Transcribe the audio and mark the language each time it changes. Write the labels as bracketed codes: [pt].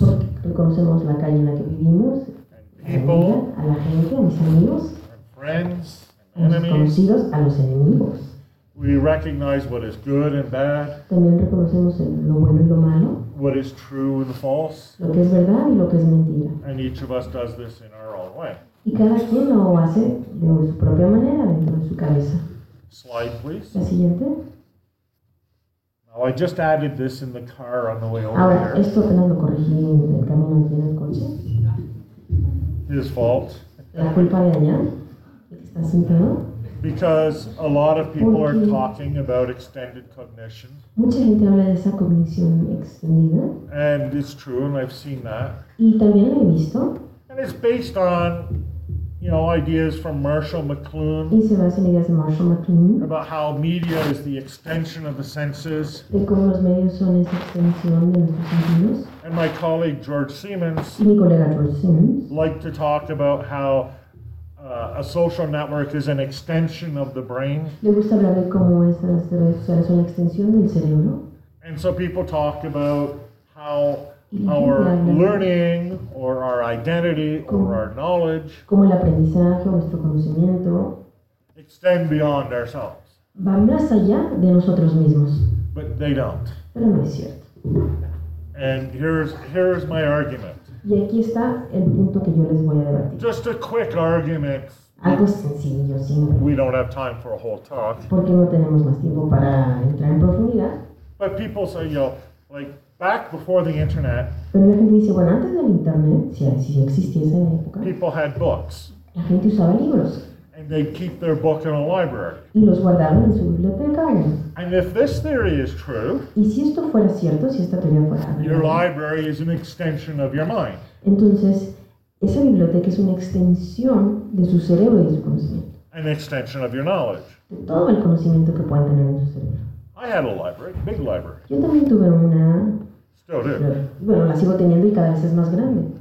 [es] Reconocemos la calle en la que vivimos. [en] And people. [es] A la gente, a mis amigos. [en] And friends. [es] A los conocidos, a los enemigos. [en] We recognize what is good and bad. [es] También reconocemos lo bueno y lo malo. [en] What is true and false. [es] Lo que es verdad y lo que es mentira. [en] And each of us does this in our own way. [es] Y cada quien lo hace de su propia manera dentro de su cabeza. [en] Slide, please. [es] La siguiente. [en] Now, I just added this in the car on the way over. [es] Ahora, esto apenas lo corregí en el camino aquí en el coche. [en] His fault. [es] La culpa de allá. Está sentado. [en] Because a lot of people are talking about extended cognition. [es] Mucha gente habla de esa cognición extendida. [en] And it's true, and I've seen that. [es] Y también lo he visto. [en] And it's based on, you know, ideas from Marshall McLuhan. [es] Y se basa en ideas de Marshall McLuhan. [en] About how media is the extension of the senses. [es] De cómo los medios son esa extensión de nuestros sentidos. [en] And my colleague George Siemens. [es] Y mi colega George Siemens. [en] Like to talk about how a social network is an extension of the brain. [es] Le gusta hablar de cómo esas redes sociales son una extensión del cerebro. [en] And so people talk about how our learning or our identity or our knowledge, [es] como el aprendizaje o nuestro conocimiento, [en] extend beyond ourselves. [es] Va más allá de nosotros mismos. [en] But they don't. [es] Pero no es cierto. [en] And here's my argument. [es] Y aquí está el punto que yo les voy a debatir. [en] Just a quick argument. [es] Algo sencillo, simple. [en] We don't have time for a whole talk. [es] Porque no tenemos más tiempo para entrar en profundidad. [en] But people say, yo, like, back before the internet. [es] Pero la gente dice, bueno, antes del internet, si existía esa época. [en] People had books. [es] La gente usaba libros. [en] And they keep their book in a library. [es] Y los guardaban en su biblioteca. [en] And if this theory is true, [es] y si esto fuera cierto, si esta teoría fuera real, [en] your library is an extension of your mind. [es] Entonces, esa biblioteca es una extensión de su cerebro y de su conocimiento. [en] An extension of your knowledge. [es] De todo el conocimiento que pueden tener en su cerebro. [en] I had a library, big library. [es] Yo también tuve una. [en] Still do. [es] Bueno, la sigo teniendo y cada vez es más grande.